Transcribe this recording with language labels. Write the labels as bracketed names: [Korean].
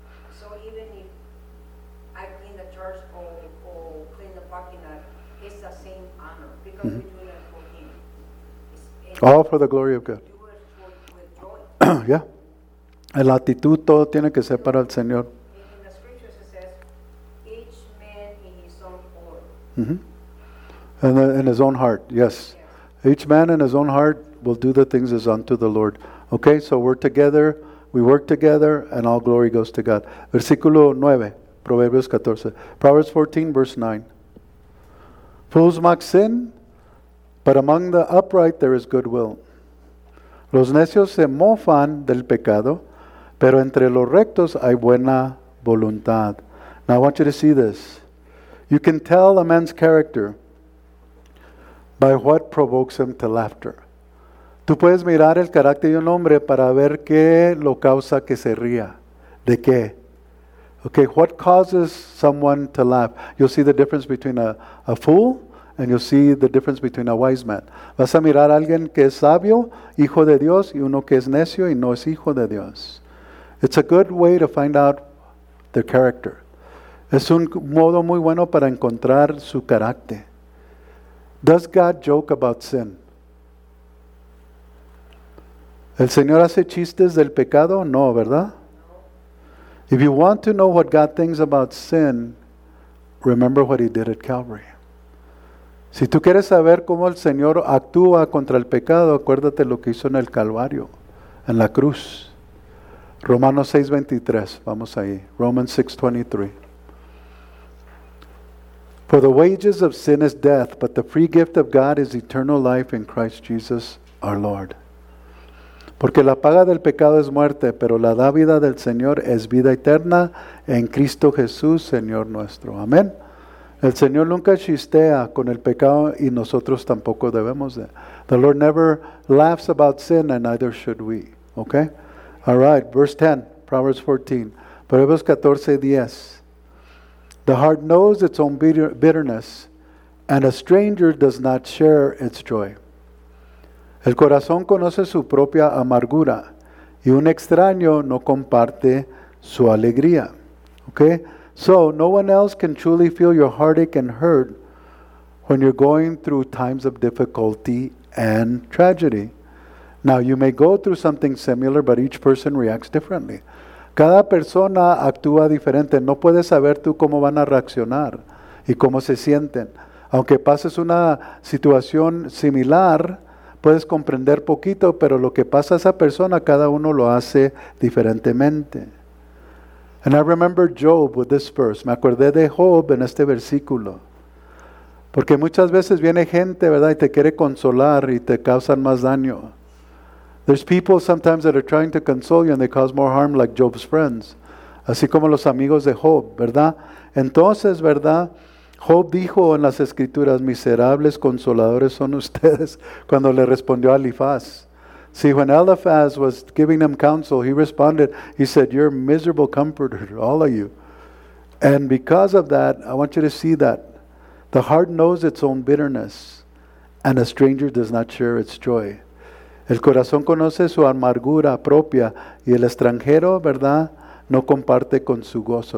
[English] So even if I clean the church or clean the parking lot, it's the same honor because we do it for Him. All for the glory of God. Do it with joy. Yeah. [Spanish] El actitud todo tiene que ser para el Señor. [English] In the scriptures it says, each man in his own order. In his own heart, yes. Each man in his own heart will do the things as unto the Lord. Okay, so we're together. We work together and all glory goes to God. [Spanish] Versículo 9, Proverbios 14. [English] Proverbs 14, verse 9. Fools mock sin, but among the upright there is goodwill. [Spanish] Los necios se mofan del pecado, pero entre los rectos hay buena voluntad. [English] Now I want you to see this. You can tell a man's character by what provokes him to laughter. [Spanish] Tú puedes mirar el carácter de un hombre para ver qué lo causa que se ría. ¿De qué? [English] Okay, what causes someone to laugh? You'll see the difference between a fool and you'll see the difference between a wise man. [Spanish] Vas a mirar a alguien que es sabio, hijo de Dios, y uno que es necio y no es hijo de Dios. [English] It's a good way to find out their character. [Spanish] Es un modo muy bueno para encontrar su carácter. [English] Does God joke about sin? [Spanish] ¿El Señor hace chistes del pecado? No, ¿verdad? [English] If you want to know what God thinks about sin, remember what He did at Calvary. [Spanish] Si tú quieres saber cómo el Señor actúa contra el pecado, acuérdate lo que hizo en el Calvario, en la cruz. Romanos 6:23, vamos ahí. [English] Romans 6:23. For the wages of sin is death, but the free gift of God is eternal life in Christ Jesus our Lord. [Spanish] Porque la paga del pecado es muerte, pero la dádiva del Señor es vida eterna en Cristo Jesús, Señor nuestro. Amén. El Señor nunca chistea con el pecado y nosotros tampoco debemos de. [English] The Lord never laughs about sin and neither should we. Okay? All right, verse 10, Proverbs 14. [Spanish] Proverbios 14, 10. [English] The heart knows its own bitterness and a stranger does not share its joy. [Spanish] El corazón conoce su propia amargura y un extraño no comparte su alegría. [English] Okay? So, no one else can truly feel your heartache and hurt when you're going through times of difficulty and tragedy. Now, you may go through something similar, but each person reacts differently. [Spanish] Cada persona actúa diferente. No puedes saber tú cómo van a reaccionar y cómo se sienten. Aunque pases una situación similar, puedes comprender poquito, pero lo que pasa a esa persona, cada uno lo hace diferentemente. [English] And I remember Job with this verse. [Spanish] Me acordé de Job en este versículo. Porque muchas veces viene gente, ¿verdad? Y te quiere consolar y te causan más daño. [English] There's people sometimes that are trying to console you and they cause more harm, like Job's friends. [Spanish] Así como los amigos de Job, ¿verdad? Entonces, ¿verdad? Job dijo en las Escrituras, miserables consoladores son ustedes, cuando le respondió a Eliphaz. [English] See, when Eliphaz was giving him counsel, he responded, he said, you're miserable comforter, all of you. And because of that, I want you to see that. The heart knows its own bitterness, and a stranger does not share its joy. [Spanish] El corazón conoce su amargura propia, y el extranjero, ¿verdad?, no comparte con su gozo.